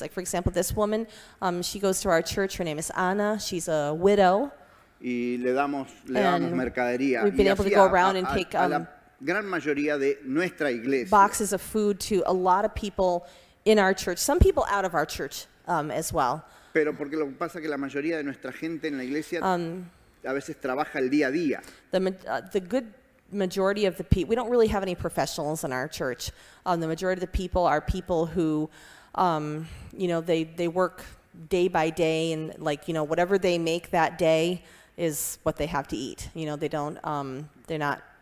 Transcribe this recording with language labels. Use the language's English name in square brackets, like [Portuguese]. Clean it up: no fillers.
[English] Like, for example, this woman, she goes to our church. Her name is Ana. She's a widow. [Spanish] Y le damos mercadería. [English] We've been [Spanish] y [English] able to go around and take [Spanish] gran mayoría de nuestra iglesia. [English] Boxes of food to a lot of people in our church, some people out of our church as well. [Spanish] Pero porque lo que pasa es que la mayoría de nuestra gente en la iglesia a veces trabaja el día a día. [English] The good majority of the people, we don't really have any professionals in our church. The majority of the people are people who, you know, they work day by day and like, you know, whatever they make that day is what they have to eat. You know, they don't, they're not